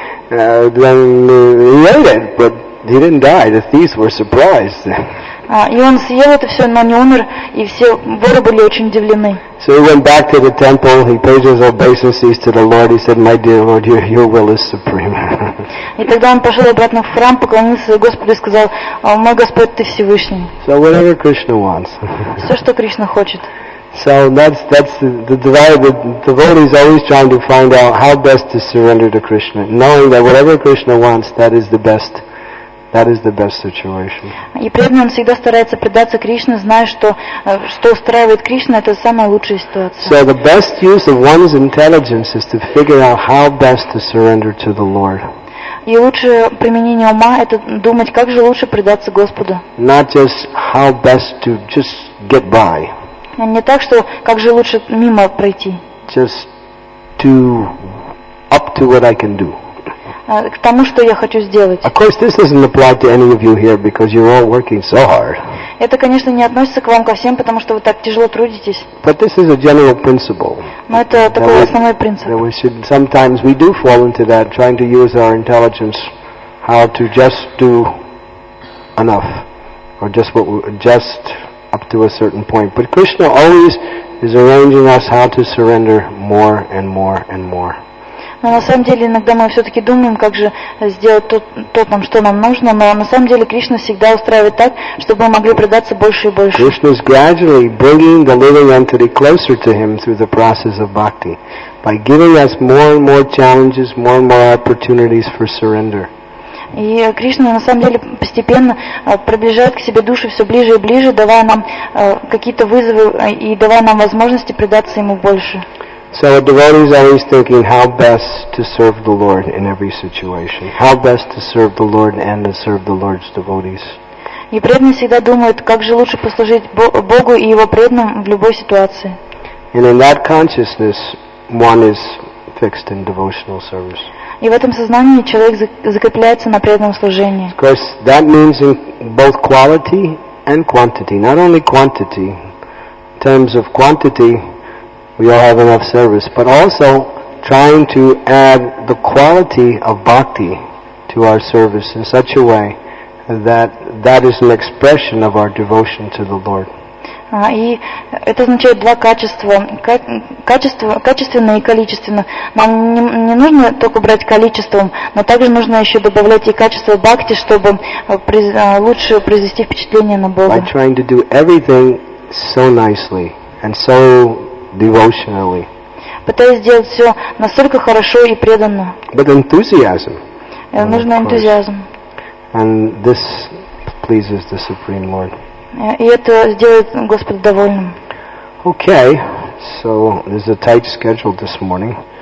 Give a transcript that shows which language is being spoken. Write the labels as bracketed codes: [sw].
[en] Then he ate it, but he didn't die. The thieves were surprised. [ru] И он съел это все, но не умер, и все воры были очень удивлены. [en] So he went back to the temple, he paid his obeisances to the Lord, he said, my dear Lord, your will is supreme. [ru] И тогда он пошел обратно в храм, поклонился Господу и сказал, мой Господь, ты Всевышний. [en] So whatever Krishna wants. [ru] Все, что Кришна хочет. [en] So that's the devotee is always trying to find out how best to surrender to Krishna, knowing that whatever Krishna wants, that is the best. That is the best situation. [ru] И преданный всегда старается предаться Кришне, зная, что устраивает Кришна, это самая лучшая ситуация. [en] So the best use of one's intelligence is to figure out how best to surrender to the Lord. [ru] И лучшее применение ума – это думать, как же лучше предаться Господу. [en] Not just how best to just get by. [ru] Не так, что как же лучше мимо пройти. [en] Just to up to what I can do. [ru] К тому, что я хочу сделать. [en] Of course, this doesn't apply to any of you here because you're all working so hard. [ru] Это, конечно, не относится к вам ко всем, потому что вы так тяжело трудитесь. [en] But this is a general principle. [ru] Но это такой основной принцип. [en] That we should, sometimes we do fall into that, trying to use our intelligence, how to just do enough, or just up to a certain point. But Krishna always is arranging us how to surrender more and more and more. [ru] Но на самом деле иногда мы все-таки думаем, как же сделать то нам, что нам нужно, но на самом деле Кришна всегда устраивает так, чтобы мы могли предаться больше и больше. [en] Krishna is gradually bringing the living entity closer to Him through the process of bhakti, by giving us more and more challenges, more and more opportunities for surrender. [ru] И Кришна на самом деле постепенно приближает к себе души все ближе и ближе, давая нам какие-то вызовы и давая нам возможности предаться Ему больше. [en] So a devotee is always thinking how best to serve the Lord in every situation. How best to serve the Lord and to serve the Lord's devotees. [ru] И преданный всегда думает, как же лучше послужить Богу и Его преданным в любой ситуации. [en] And in that consciousness, one is fixed in devotional service. [ru] И в этом сознании человек закрепляется на преданном служении. [en] Of course, that means in both quality and quantity. Not only quantity, in terms of quantity, we all have enough service, but also trying to add the quality of bhakti to our service in such a way that that is an expression of our devotion to the Lord. [ru] И это означает два качества, качественное и количественное. Нам не нужно только брать количеством, но также нужно еще добавлять и качество бхакти, чтобы лучше произвести впечатление на Бога. [en] By trying to do everything so nicely and so devotionally. [ru] Пытаясь сделать все настолько хорошо и преданно. [en] But enthusiasm. [ru] Нужен энтузиазм. [en] And this pleases the Supreme Lord. [ru] И это сделает Господа довольным. [en] Okay, so there's a tight schedule this morning.